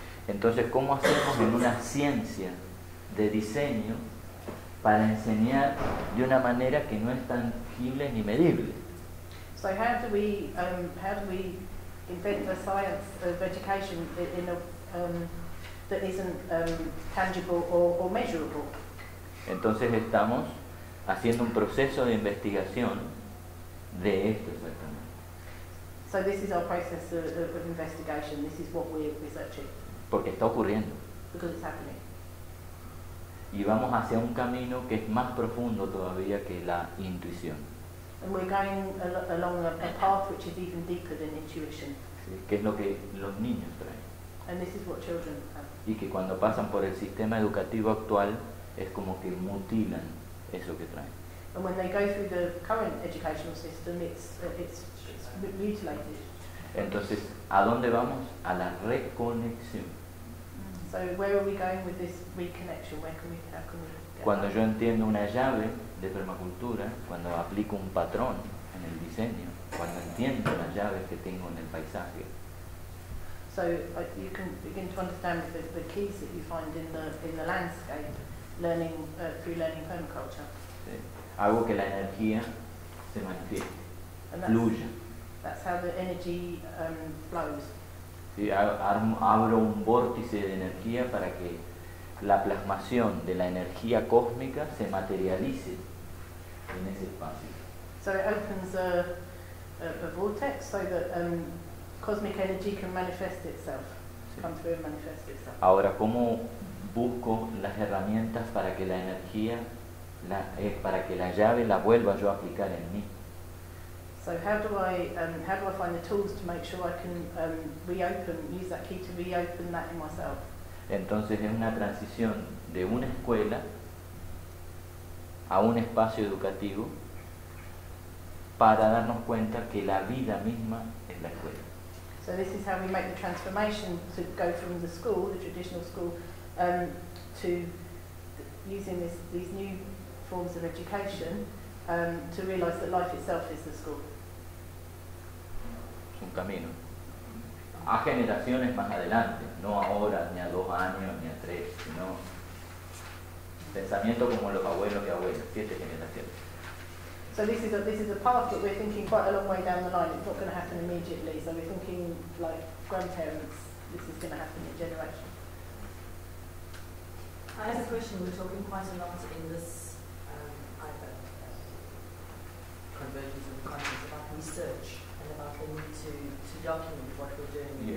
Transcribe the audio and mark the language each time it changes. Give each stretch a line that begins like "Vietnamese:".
Spanish: Entonces, ¿cómo hacemos en una ciencia de diseño para enseñar de una manera que no es tangible ni medible?
English: So how do we invent a science of education in a that isn't tangible or measurable?
Spanish: Entonces estamos haciendo un proceso de investigación de esto exactamente.
English: So this is our process of investigation. This is what we're researching.
Spanish: Porque está ocurriendo.
English: Because it's happening.
Spanish: Y vamos hacia un camino que es más profundo todavía que la intuición.
English: And we're going along a path which is even deeper than intuition.
Spanish: Sí, que es lo que los niños traen.
English: And this is what children have.
Spanish: Y que cuando pasan por el sistema educativo actual es como que mutilan eso que traen.
English: And when they go through the current educational system, it's mutilated.
Spanish: Entonces, ¿a dónde vamos? A la reconexión.
English: So where are we going with this reconnection? Where can we, how can we get
Spanish: cuando yo entiendo una llave de permacultura, cuando aplico un patrón en el diseño, cuando entiendo las llaves que tengo en el paisaje.
English: So you can begin to understand the keys that you find in the landscape, learning through learning permaculture.
Spanish: Hago que la energía se manifieste, fluya.
English: That's how the energy flows.
Spanish: Sí, abro un vórtice de energía para que la plasmación de la energía cósmica se materialice en ese espacio.
English: So it opens a vortex so that cosmic energy can manifest itself, sí. Come through and manifest itself.
Spanish: Ahora, ¿cómo busco las herramientas para que la energía, la, para que la llave la vuelva yo a aplicar en mí?
English: So how do I find the tools to make sure I can reopen, use that key to reopen that in myself?
Spanish: Entonces es una transición de una escuela a un espacio educativo para darnos cuenta que la vida misma es la escuela.
English: So this is how we make the transformation to go from the school, the traditional school, to using this, these new forms of education to realize that life itself is the school.
Spanish: Es un camino. A generaciones más adelante, no ahora, ni a dos años, ni a tres, sino pensamiento como los abuelos y abuelas, siete generaciones.
English: So this is a path that we're thinking quite a long way down the line. It's not going to happen immediately. So we're thinking like grandparents, this is going to happen in generations. I have a question. We're talking quite a lot in this convergence of consciousness about research and about the need to document what we're doing.